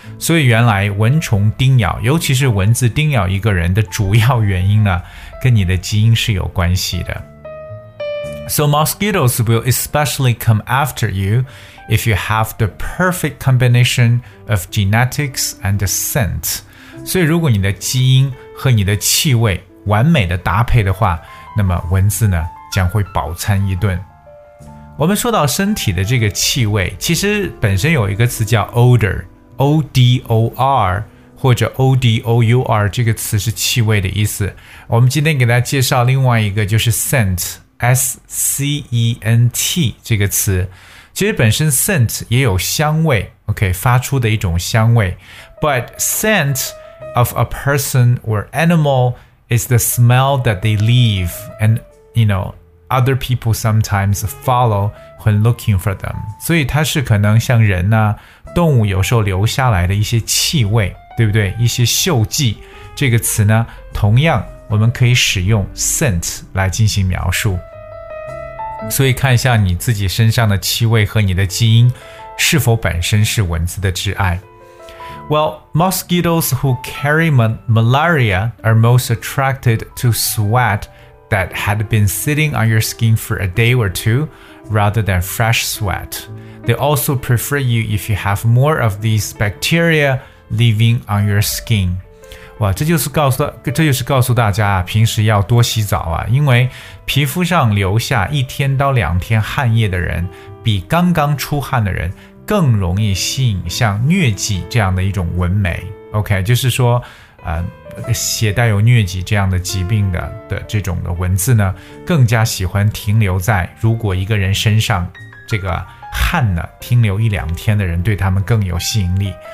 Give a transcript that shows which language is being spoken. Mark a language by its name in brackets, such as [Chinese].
[Chinese] 所以原来蚊虫叮咬，尤其是蚊子叮咬一个人的主要原因呢，跟你的基因是有关系的。 [English] So mosquitoes will especially come after you if you have the perfect combination of genetics and scent. [Chinese] 所以如果你的基因和你的气味完美的搭配的话，那么蚊子呢将会饱餐一顿。我们说到身体的这个气味，其实本身有一个词叫 odorO-D-O-R 或者 O-D-O-U-R 这个词是气味的意思。我们今天给大家介绍另外一个就是 scent, S-C-E-N-T 这个词。其实本身 scent 也有香味， OK, 发出的一种香味。 [English] But scent of a person or animal is the smell that they leave and, you know, other people sometimes follow when looking for them. [Chinese] 所以它是可能像人啊动物有时候留下来的一些气味，对不对？一些嗅迹，这个词呢同样我们可以使用 scent 来进行描述。所以看一下你自己身上的气味和你的基因是否本身是蚊子的挚爱。 [English] Well, mosquitoes who carry malaria are most attracted to sweat that had been sitting on your skin for a day or two rather than fresh sweat. They also prefer you if you have more of these bacteria living on your skin. [Chinese] 哇，这就是告诉大家啊，平时要多洗澡啊，因为皮肤上留下一天到两天汗液的人比刚刚出汗的人更容易吸引像疟疾这样的一种蚊媒。 OK, 就是说携带有疟疾这样的疾病 的这种的蚊子呢，更加喜欢停留在如果一个人身上这个汗呢停留一两天的人，对他们更有吸引力。